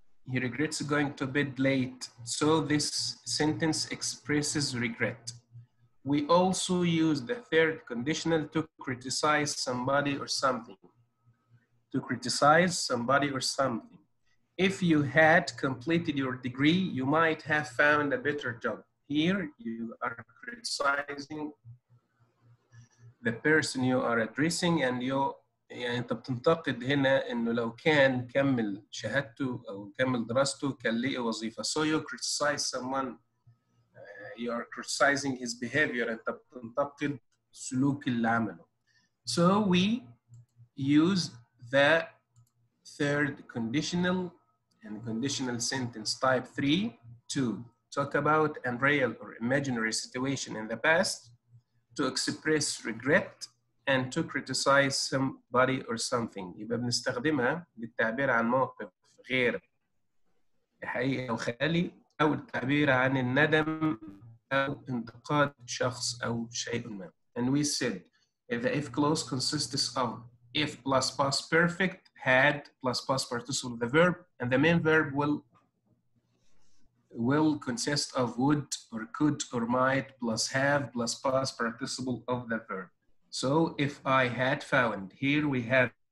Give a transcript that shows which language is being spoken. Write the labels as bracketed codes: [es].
[en] He regrets going to bed late. So this sentence expresses regret. We also use the third conditional to criticize somebody or something. To criticize somebody or something. If you had completed your degree, you might have found a better job. Here, you are criticizing the person you are addressing, and you, [ar] يعني انت بتنتقد هنا انه لو كان كمل شهادته او كمل دراسته كان لقى وظيفه. [en] So you criticize someone, you are criticizing his behavior, [ar] انت بتنتقد سلوك اللي عمله. [en] So we use the third conditional and conditional sentence type 3 to talk about unreal or imaginary situation in the past, to express regret, and to criticize somebody or something. [ar] يبقى بنستخدمها للتعبير عن موقف غير حقيقي أو خيالي، أو التعبير عن الندم أو انتقاد شخص أو شيء ما. [en] And we said the if clause consists of if plus past perfect, had plus past participle of the verb, and the main verb will consist of would or could or might plus have plus past participle of the verb. So if I had found, here we have